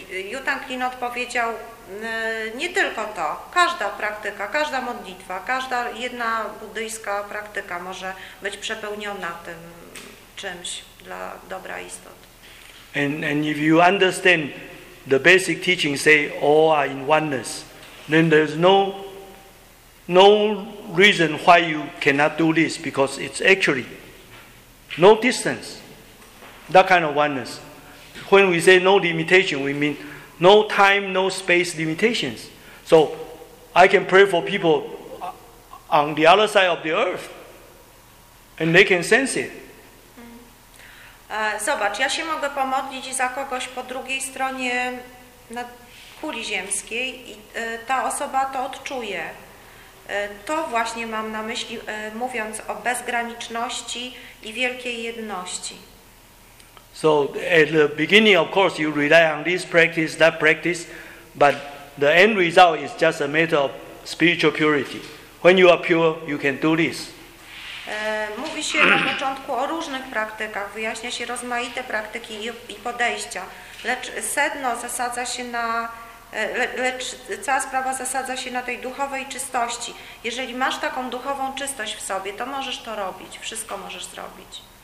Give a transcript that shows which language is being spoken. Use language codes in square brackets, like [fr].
[pl] Yutang Lin odpowiedział, nie tylko to, każda praktyka, każda modlitwa, każda jedna buddyjska praktyka może być przepełniona tym czymś dla dobra istot. [en] And if you understand the basic teaching say all are in oneness, then there's no reason why you cannot do this, because it's actually no distance, that kind of oneness. When we say no limitation, we mean No time, no space limitations. So I can pray for people on the other side of the earth, and they can sense it. [pl] Zobacz, ja się mogę pomodlić za kogoś po drugiej stronie kuli ziemskiej i ta osoba to odczuje. To właśnie mam na myśli, mówiąc o bezgraniczności i wielkiej jedności. [en] So at the beginning, of course, you rely on this practice, that practice, but the end result is just a matter of spiritual purity. When you are pure, you can do this. [pl] Mówi się na początku o różnych praktykach, wyjaśnia się rozmaite praktyki i podejścia, lecz sedno zasadza się na lecz cała sprawa zasadza się na tej duchowej czystości. Jeżeli masz taką duchową czystość w sobie, to możesz to robić, wszystko możesz zrobić.